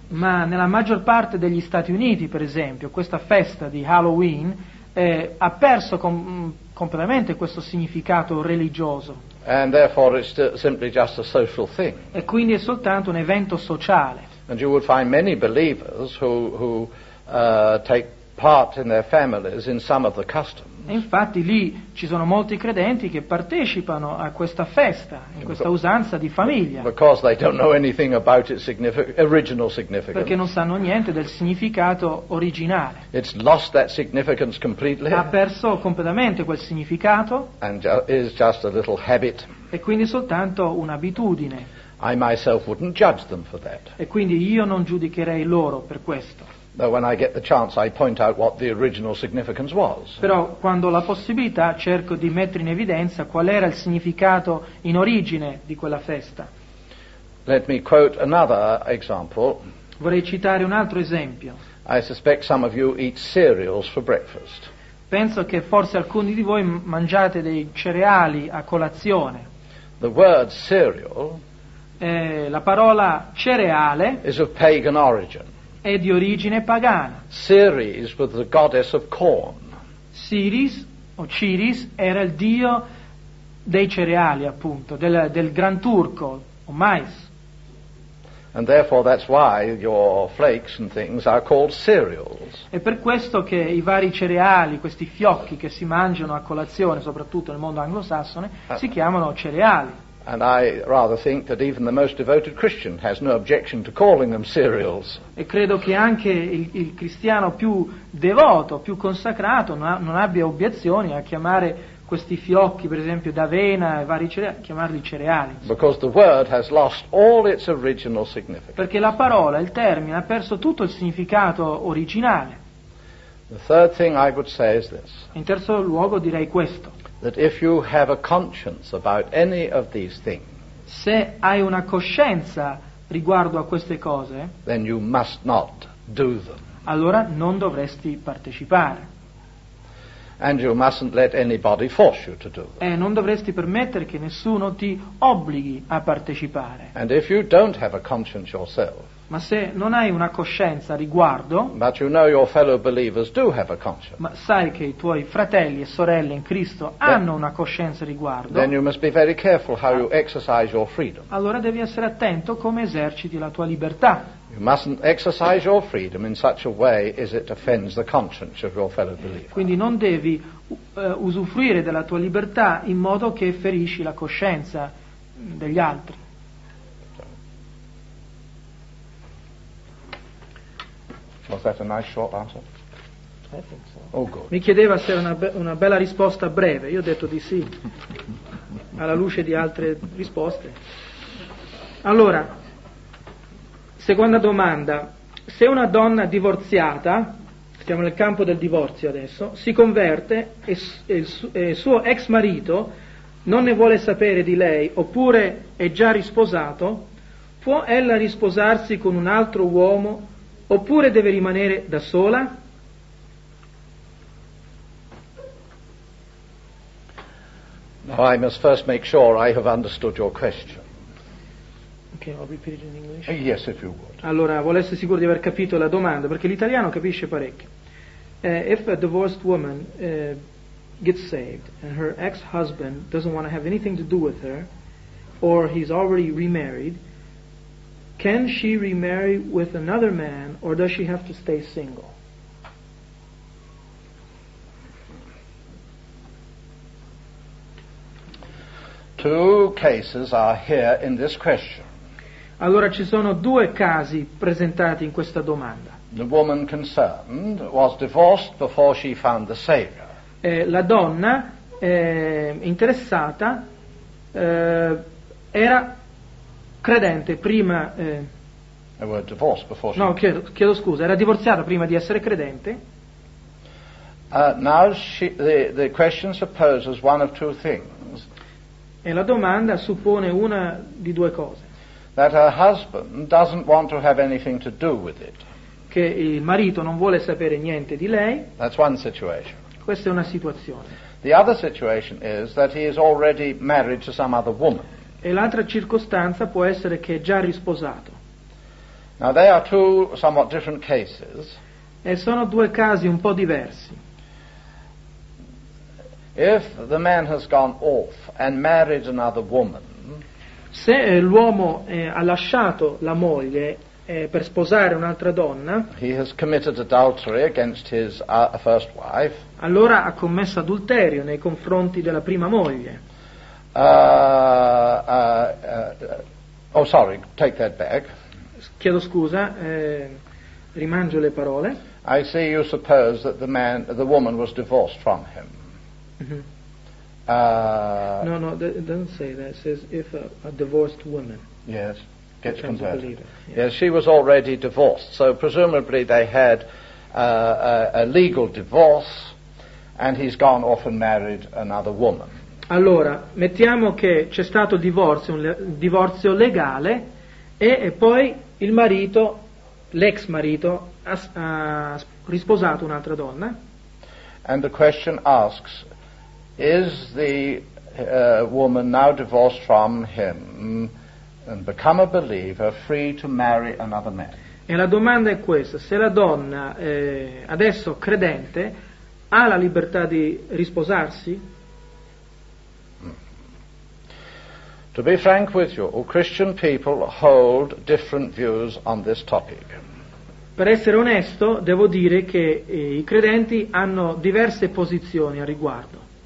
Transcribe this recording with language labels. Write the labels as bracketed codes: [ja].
[it] Ma nella maggior parte degli Stati Uniti, per esempio, questa festa di Halloween ha perso completamente questo significato religioso. [en] And therefore, it's simply just a social thing. [it] E quindi è soltanto un evento sociale. [en] And you would find many believers who take part in their families in some of the customs. [it] E infatti lì ci sono molti credenti che partecipano a questa festa, in questa usanza di famiglia. [en] Because they don't know anything about its original significance. [it] Perché non sanno niente del significato originale. [en] It's lost that significance completely. [it] Ha perso completamente quel significato. [en] And is just a little habit. [it] E quindi soltanto un'abitudine. [en] I myself wouldn't judge them for that. [it] E quindi io non giudicherei loro per questo. [en] Though when I get the chance I point out what the original significance was. [it] Però quando ho la possibilità cerco di mettere in evidenza qual era il significato in origine di quella festa. [en] Let me quote another example. [it] Vorrei citare un altro esempio. [en] I suspect some of you eat cereals for breakfast. [it] Penso che forse alcuni di voi mangiate dei cereali a colazione. [en] The word cereal [it] La parola cereale [en] is of pagan origin. [it] È di origine pagana. [en] Ceres was the goddess of corn. [it] Ceres o Ceres era il dio dei cereali, appunto, del gran turco o mais. [en] And therefore that's why your flakes and things are called cereals. [it] È per questo che i vari cereali, questi fiocchi che si mangiano a colazione, soprattutto nel mondo anglosassone, si chiamano cereali. [en] And I rather think that even the most devoted Christian has no objection to calling them cereals. [it] E credo che anche il cristiano più devoto, più consacrato, non abbia obiezioni a chiamare questi fiocchi, per esempio d'avena e vari cereali, chiamarli cereali. [en] Because the word has lost all its original significance. [it] Perché la parola, il termine, ha perso tutto il significato originale. [en] The third thing I would say is this. [it] In terzo luogo direi questo. [en] That if you have a conscience about any of these things, [it] se hai una coscienza riguardo a queste cose, [en] then you must not do them. [it] Allora non dovresti partecipare. [en] And you mustn't let anybody force you to do them. [it] E non dovresti permettere che nessuno ti obblighi a partecipare. [en] And if you don't have a conscience yourself, [it] ma se non hai una coscienza riguardo, [en] but you know your fellow believers do have a conscience, [it] ma sai che i tuoi fratelli e sorelle in Cristo hanno una coscienza riguardo, [en] then you must be very careful how you exercise your freedom. [it] Allora devi essere attento come eserciti la tua libertà. [en] You mustn't exercise your freedom in such a way as it offends the conscience of your fellow believer. [it] Quindi non devi usufruire della tua libertà in modo che ferisci la coscienza degli altri. [en] Was that a nice short answer? I think so. Oh, good. [it] Mi chiedeva se era una bella risposta breve. Io ho detto di sì, alla luce di altre risposte. Allora, seconda domanda. Se una donna divorziata, stiamo nel campo del divorzio adesso, si converte e il suo ex marito non ne vuole sapere di lei, oppure è già risposato, può ella risposarsi con un altro uomo, oppure deve rimanere da sola? [en] Now I must first make sure I have understood your question. Okay, I'll repeat it in English. Yes, if you would. [it] Allora, vuole essere sicuro di aver capito la domanda, perché l'italiano capisce parecchio. [en] If a divorced woman gets saved and her ex-husband doesn't want to have anything to do with her, or he's already remarried, can she remarry with another man, or does she have to stay single? Two cases are here in this question. [it] Allora ci sono due casi presentati in questa domanda. [en] The woman concerned was divorced before she found the Savior. [it] La donna interessata era credente prima. [en] They were divorced before she... [it] No, chiedo scusa, era divorziata prima di essere credente. [en] Now she, the question supposes one of two things. [it] E la domanda suppone una di due cose. [en] That her husband doesn't want to have anything to do with it. [it] Che il marito non vuole sapere niente di lei. [en] That's one situation. [it] Questa è una situazione. [en] The other situation is that he is already married to some other woman. [it] E l'altra circostanza può essere che è già risposato. [en] Now they are two somewhat different cases. [it] E sono due casi un po' diversi. [en] If the man has gone off and married another woman, [it] se l'uomo ha lasciato la moglie per sposare un'altra donna, [en] he has committed adultery against his first wife. [it] Allora ha commesso adulterio nei confronti della prima moglie. [en] Take that back. [it] Chiedo scusa, rimangio le parole. [en] I see you suppose that the woman was divorced from him. No, it doesn't say that. It says if a divorced woman. Yes. gets converted. Yes, she was already divorced, so presumably they had a legal divorce, and he's gone off and married another woman. [it] Allora, mettiamo che c'è stato divorzio, un divorzio legale, e poi il marito, l'ex marito, ha risposato un'altra donna. [en] And the question asks, is the woman now divorced from him and become a believer free to marry another man? [it] E la domanda è questa: se la donna adesso credente ha la libertà di risposarsi? [en] To be frank with you, Christian people hold different views on this topic. [it] Per essere onesto, devo dire che i credenti hanno diverse posizioni al riguardo.